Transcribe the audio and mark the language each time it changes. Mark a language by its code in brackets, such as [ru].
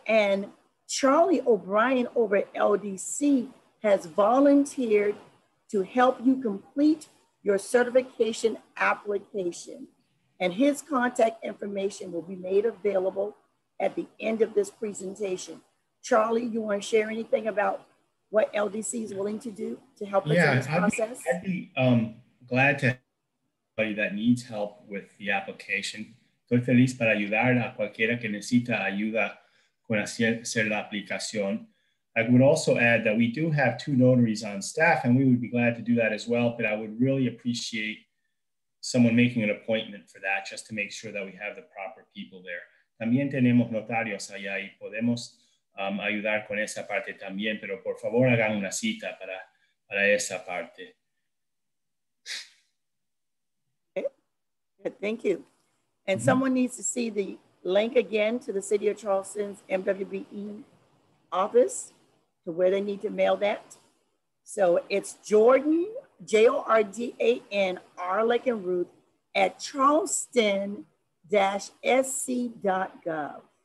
[en] And Charlie O'Brien over at LDC has volunteered to help you complete your certification application, and his contact information will be made available at the end of this presentation. Charlie, you want to share anything about what LDC is willing to do to help us in this process? Yeah, I'd be glad to help anybody that needs help with the application. [es] Estoy feliz para ayudar a cualquiera que necesita ayuda con hacer la aplicación. [en] I would also add that we do have 2 notaries on staff, and we would be glad to do that as well, but I would really appreciate someone making an appointment for that just to make sure that we have the proper people there. [es] También tenemos notarios allá y podemos ayudar con esa parte también, pero por favor hagan una cita para esa parte. [en] Okay. Good, thank you. And someone needs to see the link again to the City of Charleston's MWBE office, to where they need to mail that. So it's Jordan, J-O-R-D-A-N-R, like in Ruth, at charleston-sc.gov.